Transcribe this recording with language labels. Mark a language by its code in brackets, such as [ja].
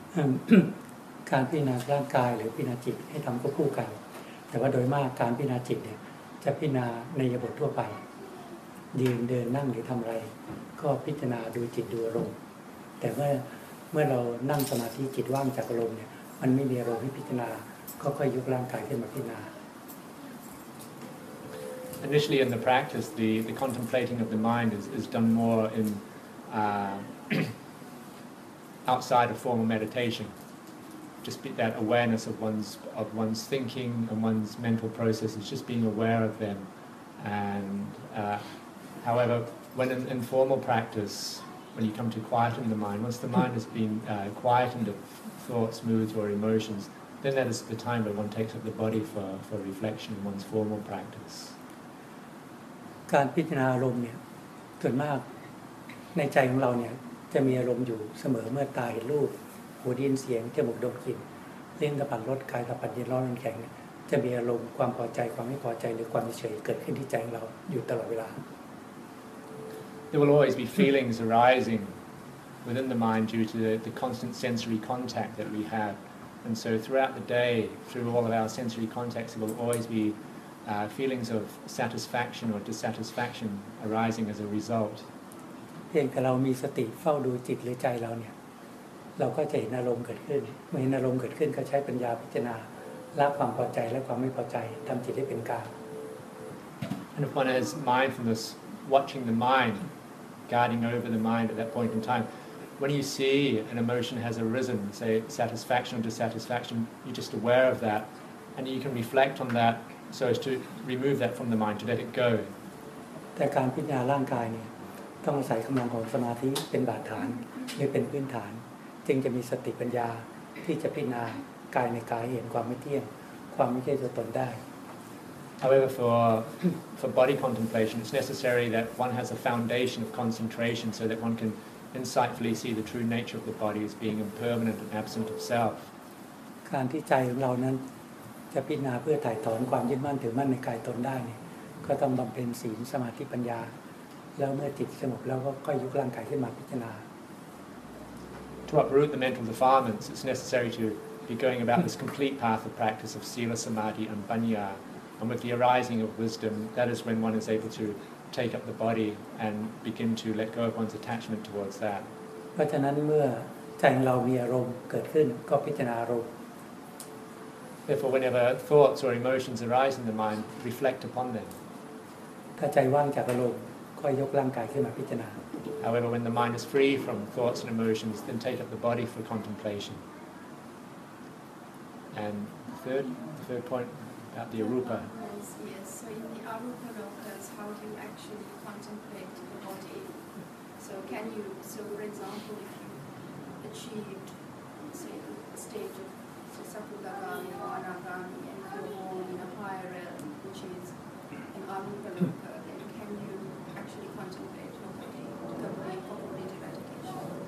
[th] การพิจารณาร่างกายหรือพิจารณาจิตให้ทำควบคู่กันแต่ว่าโดยมากการพิจารณาจิตเนี่ยจะพิจารณาในบททั่วไปยืนเดินนั่งหรือทำอะไรก็พิจารณาดูจิตดูอารมณ์แต่เมื่อเรานั่งสมาธิจิตว่างจากอารมณ์เนี่ยมันไม่มีอารมณ์ให้พิจารณาก็ค่อยยกร่างกายขึ้นมาพิจารณา [en] Initially in the practice the contemplating of the mind is done more in outside of formal meditation just be that awareness of one's thinking and one's mental processes just being aware of them and however when in informal practice, when you come to quieten the mind, once the mind has been quietened of thoughts, moods, or emotions, then that is the time when one takes up the body for reflection in one's formal practice. [th] การพิจารณาอารมณ์เนี่ยส่วนมากในใจของเราเนี่ยจะมีอารมณ์อยู่เสมอเมื่อตาเห็นรูปหูได้ยินเสียงจมูกดมกลิ่นเลี้ยงกระปั่นรถกายกระปั่นเย็นร้อนแข็งจะมีอารมณ์ความพอใจความไม่พอใจหรือความเฉยเกิดขึ้นที่ใจของเราอยู่ตลอดเวลา [en] There will always be feelings arising within the mind due to the constant sensory contact that we have. And so throughout the day, through all of our sensory contacts, there will always be feelings of satisfaction or dissatisfaction arising as a result. [th] เพียงแต่เรามีสติเฝ้าดูจิตหรือใจเราเนี่ยเราก็จะเห็นอารมณ์เกิดขึ้นเมื่อเห็นอารมณ์เกิดขึ้นก็ใช้ปัญญาพิจารณาละความพอใจและความไม่พอใจทำจิตให้เป็นกลาง [en] And if one has mindfulness,watching the mind, guarding over the mind at that point in time. When you see an emotion has arisen, say satisfaction or dissatisfaction, you're just aware of that, and you can reflect on that so as to remove that from the mind, to let it go. [th] แต่การพิจารณาร่างกายเนี่ยต้องอาศัยกำลังของสมาธิเป็นบาดฐานหรือเป็นพื้นฐานจึงจะมีสติปัญญาที่จะพิจารณากายในกายเห็นความไม่เที่ยงความไม่ใช่ตัวตนได้ [en] However, for body contemplation, it's necessary that one has a foundation of concentration so that one can insightfully see the true nature of the body as being impermanent and absent of self. [th] การที่ใจของเรานั้นจะพิจารณาเพื่อถ่ายถอนความยึดมั่นถือมั่นในกายตนได้เนี่ยก็ต้องบำเพ็ญศีลสมาธิปัญญาแล้วเมื่อจิตสงบแล้วก็ค่อยยกร่างกายขึ้นมาพิจารณา [en] To uproot the mental defilements, it's necessary to be going about this complete path of practice of sila, samadhi, and banya. And with the arising of wisdom, that is when one is able to take up the body and begin to let go of one's attachment towards that. [th] เพราะฉะนั้นเมื่อใจของเรามีอารมณ์เกิดขึ้นก็พิจารณาอารมณ์ [en] Therefore, whenever thoughts or emotions arise in the mind, reflect upon them. [th] ถ้าใจว่างจากอารมณ์ก็ยกร่างกายขึ้นมาพิจารณา [en] However, when the mind is free from thoughts and emotions, then take up the body for contemplation. And the third point. About the arupa. Yes. So in the arupa lokas, how do you actually contemplate the body? So for example, if you achieved, say, the stage of sakudagami or anagami and go on in a higher realm, which is an arupa loka, then can you actually contemplate your body to complete complete eradication?